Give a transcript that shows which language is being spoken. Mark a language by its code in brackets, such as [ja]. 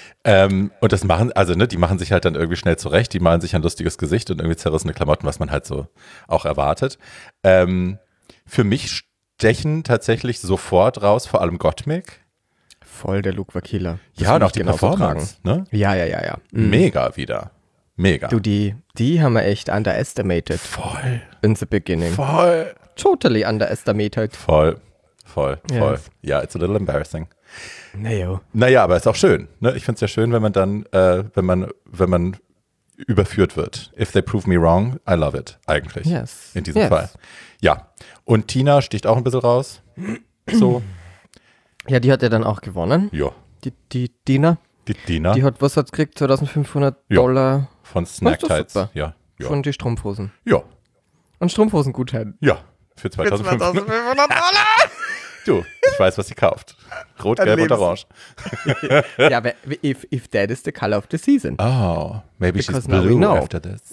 [de] Und das machen, also ne, die machen sich halt dann irgendwie schnell zurecht, die malen sich ein lustiges Gesicht und irgendwie zerrissene Klamotten, was man halt so auch erwartet. Für mich stechen tatsächlich sofort raus, vor allem Gottmik. Voll der Look war Killer. Das ja, und auch die genau Performance, so ne? Ja. Mhm. Mega wieder. Mega. Du, die haben wir echt underestimated. Voll. [en] In the beginning. [de] Voll. [en] Totally underestimated. [de] Voll. [en] Ja, yeah, it's a little embarrassing. [de] Naja. Naja, aber ist auch schön. Ne? Ich find's ja schön, wenn man dann, wenn man überführt wird. [en] If they prove me wrong, I love it. [de] Eigentlich. [en] Yes. [de] In diesem Fall. Ja. Und Tina sticht auch ein bisschen raus. So. Ja, die hat ja dann auch gewonnen. Ja. Die Tina. Die Tina. Die hat, was hat's gekriegt? 2500 jo. Dollar. Von Snack Tights. Ja. Von die Strumpfhosen. Ja. Und Strumpfhosengutschein. Ja. Für 2500 Dollar. Du, ich weiß, was sie kauft. Rot, dann gelb und orange. Ja, aber [en] if that is the color of the season. Oh, maybe because she's blue now after this.